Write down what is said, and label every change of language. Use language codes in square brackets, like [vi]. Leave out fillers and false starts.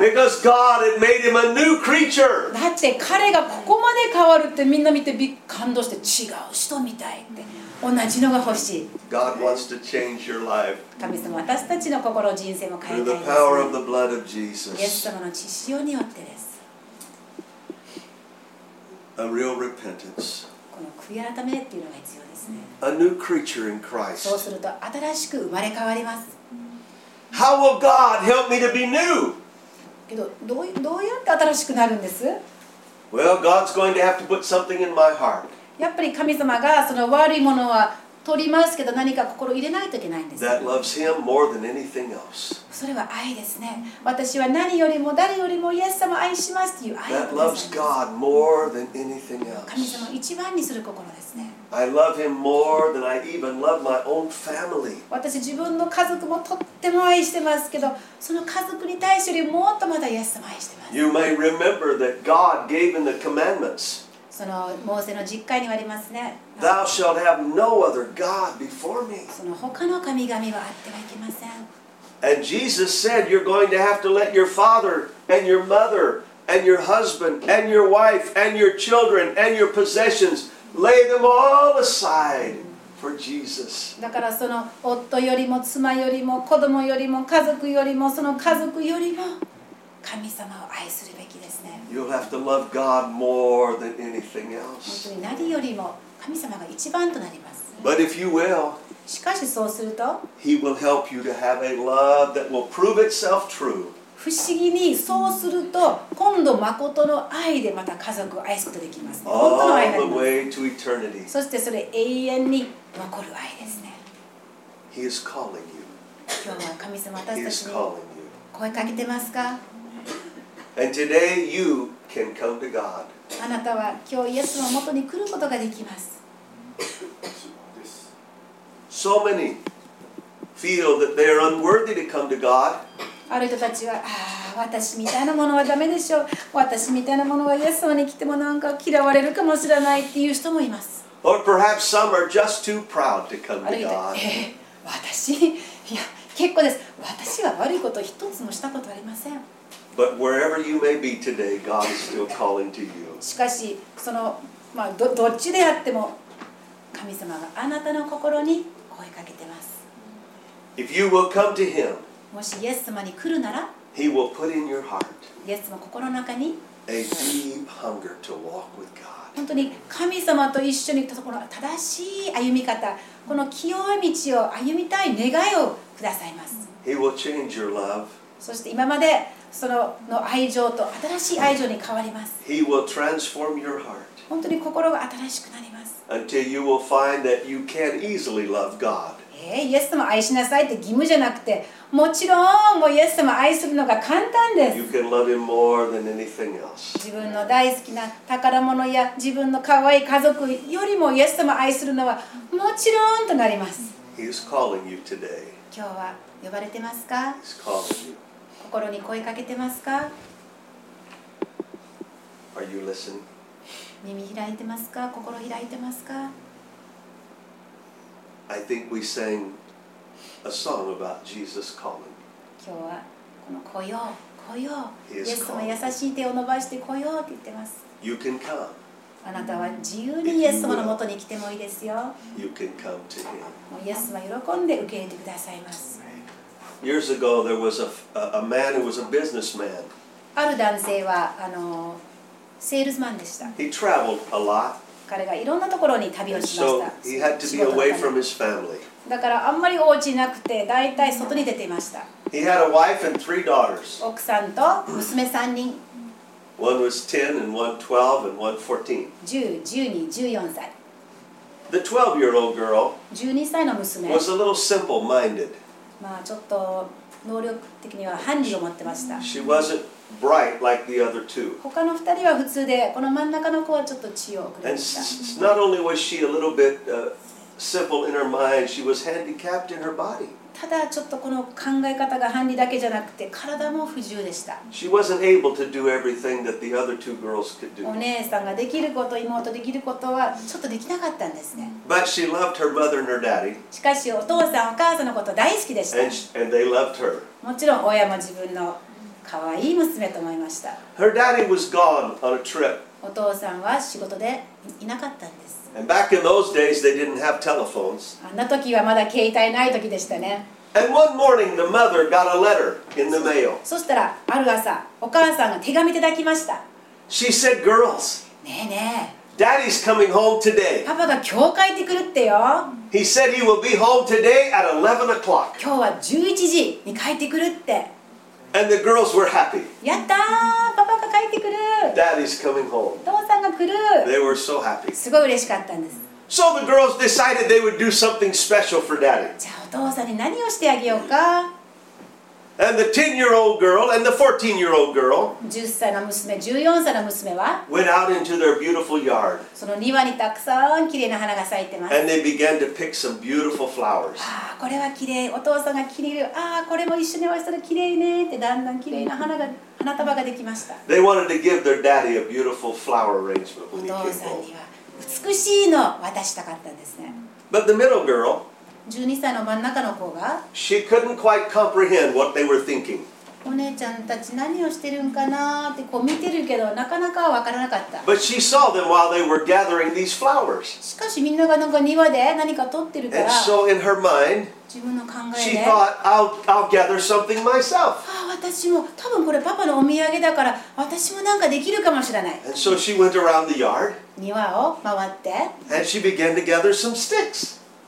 [en] Because God had made him a new creature. [ja] だって彼がここまで変わるってみんな見て感動して違う人みたいって同じのが欲しい。 [en] God wants to change your life. [ja] 神様私たちの心人生も変えたいです。 [en] Through the power of the blood of Jesus. [ja] イエス様の血潮によってです。 [en] A real repentance. [ja] 悔い改めっていうのが必要ですね。 [en] A new creature in Christ. [ja] そうすると新しく生まれ変わります。 [en] How will God help me to be new? [ja] けどどうやって新しくなるんです? [en] Well, God's going to have to put something in my heart. [ja] やっぱり神様がその悪いものは取りますけど何か心を入れないといけないんです。 [en] That loves him more than anything else. [ja] それは愛ですね。私は何よりも誰よりもイエス様を愛しますという愛です。 [en] That loves God more than anything else. [ja] 神様を一番にする心ですね。 [en] I love him more than I even love my own family. [ja] 私自分の家族もとっても愛してますけど、その家族に対してよりもっとまだイエス様を愛してます。 [en] You may remember that God gave him the commandments. [ja] そのモーセの実会にはありますね。 [en] Thou shalt have no other God before me. [ja] その他の神々はあってはいけません。 [en] And Jesus said, you're going to have to let your father and your mother and your husband and your wife and your children and your possessions lay them all aside for Jesus. [ja] だからその夫よりも妻よりも子供よりも家族よりもその家族よりも神様を愛するべき。 [en] You'll have to love God more than anything else. [ja] 本当に何よりも神様が一番となります。 [en] But if you will, [ja] しかしそうすると、 [en] He will help you to have a love that will prove itself true. [ja] 不思議にそうすると、今度誠の愛でまた家族を愛すことができます。 [en] All the way to eternity. [ja] そしてそれ永遠に残る愛ですね。 [en] He is calling you. [ja] 今日は神様私たちに声かけてますか？ [en] And today you can come to God. [ja] あなたは今日イエスの元に来ることができます。 [en] So many feel that they are unworthy to come to God. [ja] ある人たちは、ああ、私みたいなものはダメでしょう。私みたいなものはイエス様に来てもなんか嫌われるかもしれないっていう人もいます。 [en] Or perhaps some are just too proud to come to God. [ja] 私、いや、結構です。私は悪いこと一つもしたことありません。 [en] But wherever you may be today, God is still calling to you. [ja] しかし、どっちであっても、神様があなたの心に声かけてます。 [en] If you will come to Him, [ja] もしイエス様に来るなら、 [en] He will put in your heart, [ja] イエス様心の中に、 [en] a deep hunger to walk with God. [ja] 本当に神様と一緒に、この正しい歩み方、この清い道を歩みたい願いをくださいます。 [en] He will change your love. [ja] そして今までその愛情と新しい愛情に変わります。 [en] He will transform your heart. [ja] 本当に心が新しくなります。 [en] Until you will find that you can easily love God. [ja] イエス様愛しなさいって義務じゃなくて、もちろんもうイエス様愛するのが簡単です。 [en] you can love him more than anything else. [ja] 自分の大好きな宝物や自分の可愛い家族よりもイエス様愛するのはもちろんとなります。 [en] He is calling you today. [ja] 今日は呼ばれてますか？ [en] He's calling you. [ja] 心に声かけてますか？ [en] Are you listening? [ja] 耳開いてますか？心開いてますか？ [en] I think we sang a song about Jesus calling. [ja] 今日はこの来よう、来よう。イエス様優しい手を伸ばして来ようって言ってます。 [en] You can come. [ja] あなたは自由にイエス様のもとに来てもいいですよ。 [en] You can come to him. [ja] もうイエス様喜んで受け入れてくださいます。 [en] Years ago, there was a man who was a businessman. [ja] ある男性はセールスマンでした。 [en] He traveled a lot. [ja] 彼がいろんなところに旅をしました。 [en] So he had to be away from his family. [ja] だからあんまりお家なくて、だいたい外に出ていました。 [en] He had a wife and three daughters. [ja] 奥さんと娘三人。 [en] One was 10 and one 12 and one 14. [ja] 10、12、14歳。 [en] The 12-year-old girl [ja] 12歳の娘 [en] was a little simple-minded. [ja] まあちょっと能力的には半熟を持ってました。 [en] She wasn't bright like the other two. [ja] 他の二人は普通で、この真ん中の子はちょっと血を送りました。 [en] And not only was she a little bit simple in her mind, she was handicapped in her body. [ja] ただちょっとこの考え方が半熟だけじゃなくて、体も不自由でした。 [en] She wasn't able to do everything that the other two girls could do. [ja] お姉さんができること、妹できることはちょっとできなかったんですね。 [en] But she loved her mother and her daddy. [ja] しかしお父さん、お母さんのこと大好きでした。 [en] And they loved her. [ja] もちろん親も自分の可愛い娘と思いました。 [en] Her daddy was gone on a trip. [ja] お父さんは仕事でいなかったんです。 [en] And back in those days, they didn't have telephones. [ja] あんな時はまだ携帯ない時でしたね。 [en] And one morning, the mother got a letter in the mail. [ja] そしたらある朝、お母さんが手紙いただきました。 [en] She said, "Girls, [ja] ねえねえ、 [en] Daddy's coming home today." [ja] パパが教会に来るってよ。 [en] He said he will be home today at 11 o'clock. [ja] 今日は11時に帰ってくるって。 [en] And the girls were happy. [ja] やったー、パパが帰ってくる。 [en] Daddy's coming home. [ja] 父さんが来る。 [en] They were so happy. [ja] すごい嬉しかったんです。 [en] So the girls decided they would do something special for Daddy. [ja] じゃあお父さんに何をしてあげようか。 [en] And the 10-year-old girl and the 14-year-old girl [ja] 10歳の娘、14歳の娘は [en] went out into their beautiful yard. [ja] その庭にたくさん綺麗な花が咲いてます。 [en] And they began to pick some beautiful flowers. [ja] ああ、これは綺麗。お父さんが切れる。ああ、これも一緒に合わせたら綺麗ねってだんだん綺麗な花が花束ができました。 [en] They wanted to give their daddy a beautiful flower arrangement when he came home. [ja] お父さんには美しいのを渡したかったんですね。 [en] But the middle girl [ja] 12歳の真ん中の子が [en] She couldn't quite comprehend what they were thinking. [ja] お姉ちゃんたち何をしてるんかなってこう見てるけどなかなかわからなかった。 [en] But she saw them while they were gathering these flowers. [ja] しかしみんながなんか庭で何か取ってるから [en] And so in her mind, [ja] 自分の考えで [en] She thought, I'll gather something myself. [ja] ああ私も多分これパパのお土産だから私もなんかできるかもしれない。 [en] And so she went around the yard. [ja] 庭を回って [en] And she began to gather some sticks.